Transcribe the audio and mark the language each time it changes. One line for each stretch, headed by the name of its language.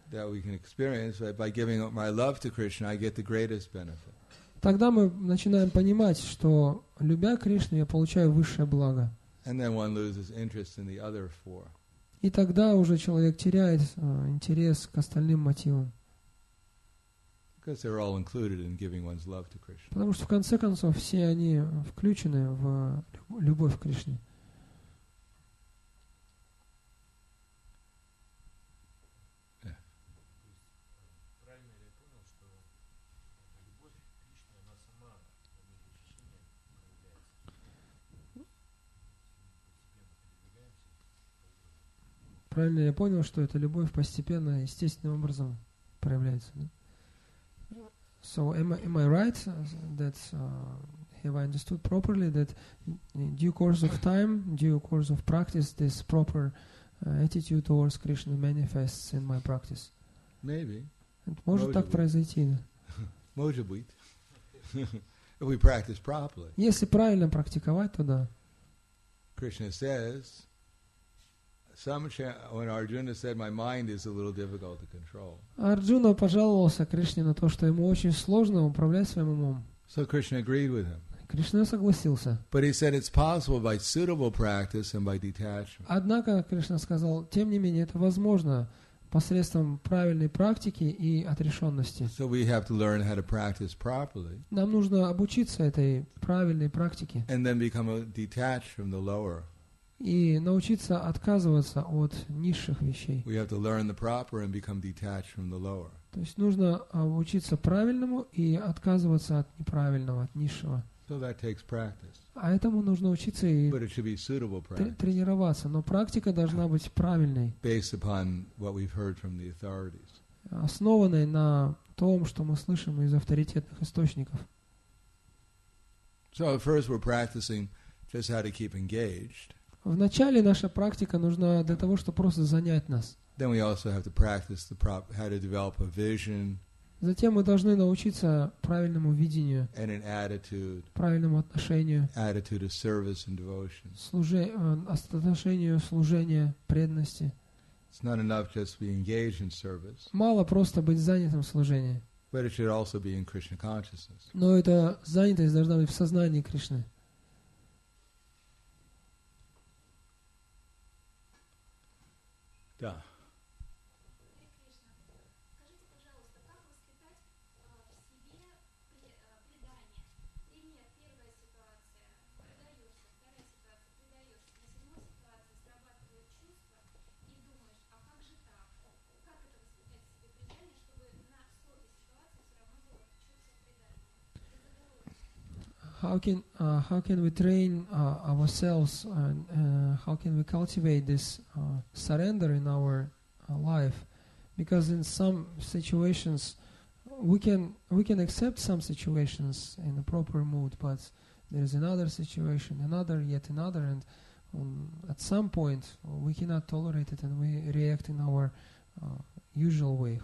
English: That we can experience by giving up my love to Krishna, I get the greatest benefit.
Russian: Тогда мы начинаем понимать, что любя Кришну, я получаю высшее благо.
English: And then one loses interest in the other four.
Russian: И тогда уже человек теряет интерес к остальным мотивам.
English: Because they're all included in giving one's love to Krishna.
Russian: Потому что в конце концов все они включены в любовь к Кришне. Правильно я понял, что эта любовь постепенно, естественным образом проявляется? Да?
English: So am I right that have I understood properly that in due course of time, due course of practice, this proper attitude towards Krishna manifests in my practice? Maybe.
Russian: Может так произойти? Может быть.
English: If we practice properly.
Russian: Если правильно практиковать, то да.
English: Krishna says. When Arjuna said, "My mind is a little difficult to control."
Russian: Arjuna пожаловался Кришне на то, что ему очень сложно управлять своим умом.
English: So Krishna agreed with him.
Russian: Кришна согласился.
English: But he said it's possible by suitable practice and by detachment.
Russian: Однако Кришна сказал, тем не менее это возможно посредством правильной практики и отрешенности.
English: So we have to learn how to practice properly.
Russian: Нам нужно обучиться этой правильной практике.
English: And then become detached from the lower.
Russian: И научиться отказываться от низших вещей. То есть нужно учиться правильному и отказываться от неправильного, от низшего.
English: So that takes practice.
Russian: А этому нужно учиться и тренироваться. Но практика должна быть правильной.
English: Based upon what we've heard from the authorities.
Russian: Основанной на том, что мы слышим из авторитетных источников.
English: So at first we're practicing just how to keep engaged.
Russian: Вначале наша практика нужна для того, чтобы просто занять нас.
English: Then we also have to practice the how to develop a vision.
Russian: Затем мы должны научиться правильному видению.
English: And an attitude.
Russian: Правильному отношению.
English: Attitude of service and devotion.
Russian: Отношению служения, преданности.
English: It's not enough just to be engaged in service.
Russian: Мало просто быть занятым в служении.
English: But it should also be in Krishna consciousness.
Russian: Но эта занятость должна быть в сознании Кришны. Да. Скажите, пожалуйста, как воспитать в себе предание? Пример, первая ситуация, предаешься, вторая ситуация, предаешься. На седьмой ситуации срабатывают чувства и думаешь, а как же так? Как это воспитать в себе предание, чтобы на сотой ситуации все равно было чувство предания?
English: How can we train ourselves and how can we cultivate this surrender in our life? Because in some situations we can accept some situations in a proper mood, but there is another situation, another, yet another, and at some point we cannot tolerate it and we react in our usual way.